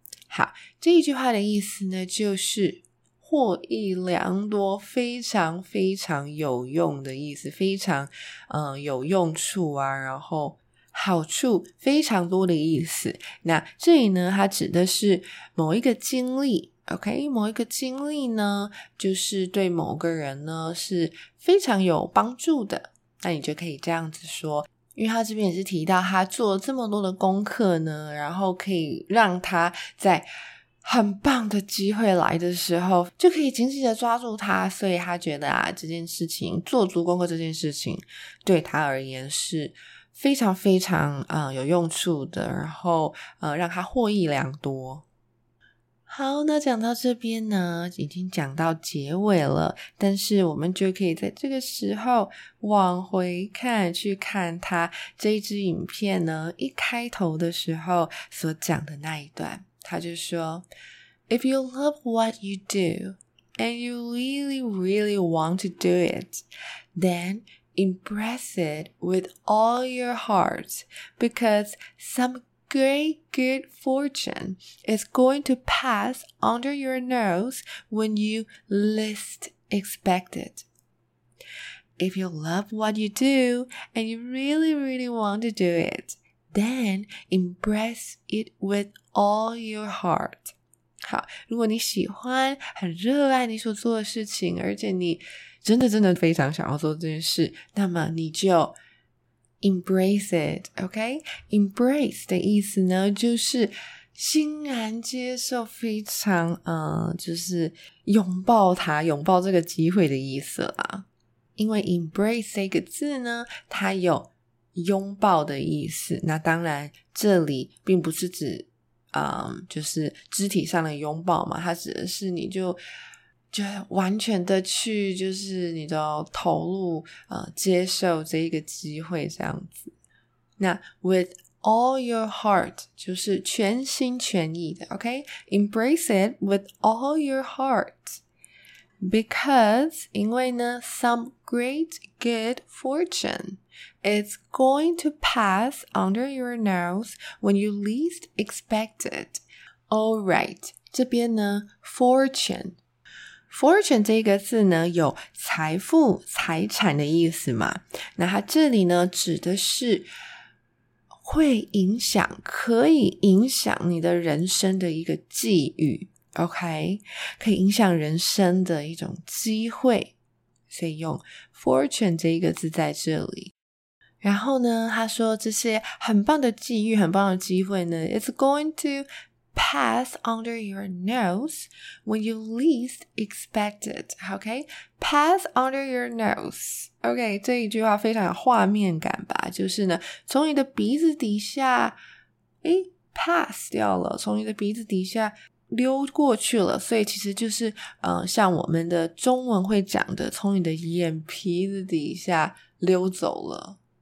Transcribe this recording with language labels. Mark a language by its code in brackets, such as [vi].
[zh] 好，这一句话的意思呢，就是获益良多，非常非常有用的意思，非常有用处啊，然后好处非常多的意思。那这里呢，它指的是某一个经历。 OK, 某一个经历呢，就是对某个人呢是非常有帮助的。那你就可以这样子说，因为他这边也是提到他做了这么多的功课呢，然后可以让他在很棒的机会来的时候就可以紧紧的抓住他，所以他觉得啊，这件事情做足功课这件事情对他而言是非常非常有用处的，然后让他获益良多。好，那讲到这边呢，已经讲到结尾了，但是我们就可以在这个时候往回看，去看他这一支影片呢一开头的时候所讲的那一段。他就说 [en] If you love what you do and you really really want to do it, then embrace it with all your heart, because someGreat good fortune is going to pass under your nose when you least expect it. If you love what you do and you really, really want to do it, then embrace it with all your heart. [zh] 好，如果你喜欢，很热爱你所做的事情，而且你真的真的非常想要做这件事，那么你就 [en] Embrace it, okay? [zh] Embrace 的意思呢，就是欣然接受，非常就是拥抱它，拥抱这个机会的意思啦。因为 embrace 这个字呢，它有拥抱的意思。那当然，这里并不是指就是肢体上的拥抱嘛，它指的是你就完全的去，就是你的投入接受这一个机会这样子。 [en] 那 with all your heart [zh] 就是全心全意的 [en] OK, embrace it with all your heart, because [zh] 因为呢 [en] some great good fortune is going to pass under your nose when you least expect it. [zh] Alright, 这边呢 fortune 这个字呢，有财富、财产的意思嘛？那它这里呢，指的是会影响、可以影响你的人生的一个际遇 ，OK？可以影响人生的一种机会，所以用 fortune 这个字在这里。然后呢，他说这些很棒的际遇、很棒的机会呢 ， [en] it's going to。 Pass under your nose when you least expect it. Okay, pass under your nose. [zh] Okay, 这一句话非常有画面感吧，就是呢，从你的鼻子底下，诶 pass 掉了，从你的鼻子底下溜过去了，所以其实就是像我们的中文会讲的，从你的眼皮子底下溜走了。